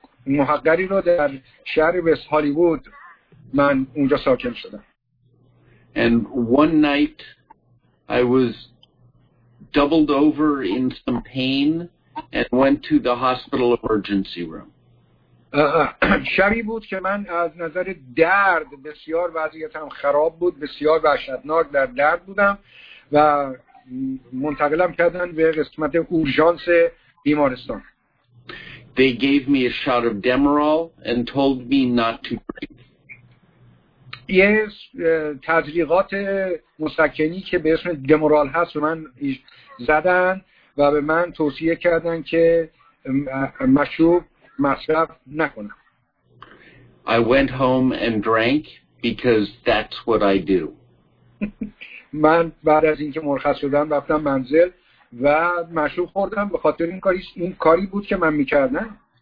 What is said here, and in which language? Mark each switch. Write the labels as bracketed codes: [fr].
[fa] محقری رو در شهر وست هالیوود من اونجا ساکن شدم. [en] And one night I was doubled over in some pain and went to the hospital emergency room. [fa] شبی بود که من از نظر درد بسیار وضعیتم خراب بود، بسیار وحشتناک در درد بودم و منتقلم کردن به قسمت اورژانس بیمارستان. [en] They gave me a shot of Demerol and told me not to drink. [fa] یه تزریقات مسکنی که به اسم دمرال هست من زدن و به من توصیه کردن که مشروب مصرف نکنم. [en] I went home and drank because that's what I do. [fa] من بعد از اینکه مرخص شدم رفتم منزل و مشروب خوردم به خاطر این کاری بود که من می‌کردم.